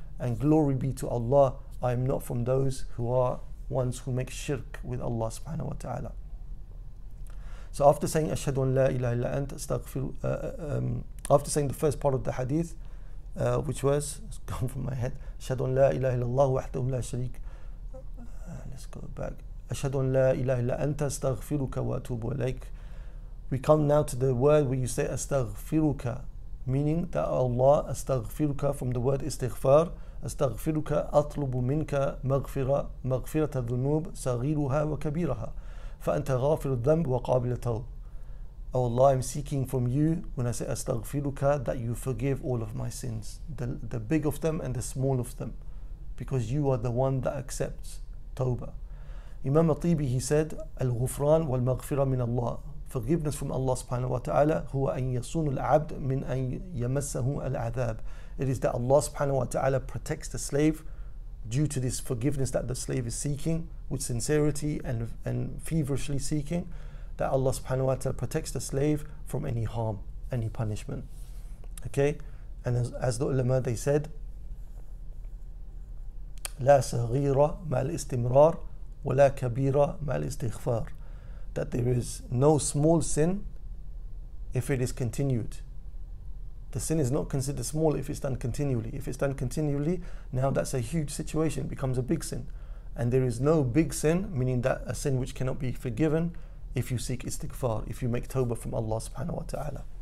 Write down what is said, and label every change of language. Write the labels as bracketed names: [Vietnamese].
[English] And glory be to Allah, I am not from those who are ones who make shirk with Allah subhanahu wa ta'ala. So after saying [Arabic] أَشْهَدُ أَنْ لَا إِلَهَ إِلَّا أَنْتَ أَسْتَغْفِرُ, [English] after saying the first part of the hadith, which was, it's gone from my head, [Arabic] أشهد أن لا إله إلا الله وحده لا شريك. [English] Let's go back. [Arabic] أشهد أن لا إله إلا أنت أستغفرك وأتوب إليك. [English] We come now to the word where you say [Arabic] أستغفرك, [English] meaning that Allah, [Arabic] أستغفرك, from the word استغفار, أستغفرك أطلب منك مغفرة, مغفرة الذنوب صغيرها وكبيرها فأنت غافر الذنب وقابل التوب. [English] O Allah, I'm seeking from you, when I say astaghfiruka, that you forgive all of my sins, the big of them and the small of them, because you are the one that accepts tawbah. [Arabic] Imam Atibi, he said, al-ghufran wal-maghfira min Allah, [English] forgiveness from Allah subhanahu wa ta'ala, [Arabic] huwa an yasun al-abd min an yamassahu al-adhab. [English] It is that Allah subhanahu wa ta'ala protects the slave due to this forgiveness that the slave is seeking with sincerity and feverishly seeking, that Allah subhanahu wa ta'ala protects the slave from any harm, any punishment. Okay? And as the ulama, they said, [Arabic] لا صغيرة مع الاستمرار ولا كبيرة مع الاستغفار. [English] That there is no small sin if it is continued. The sin is not considered small if it's done continually. If it's done continually, now that's a huge situation, it becomes a big sin. And there is no big sin, meaning that a sin which cannot be forgiven, if you seek istighfar, if you make tawbah from Allah subhanahu wa ta'ala.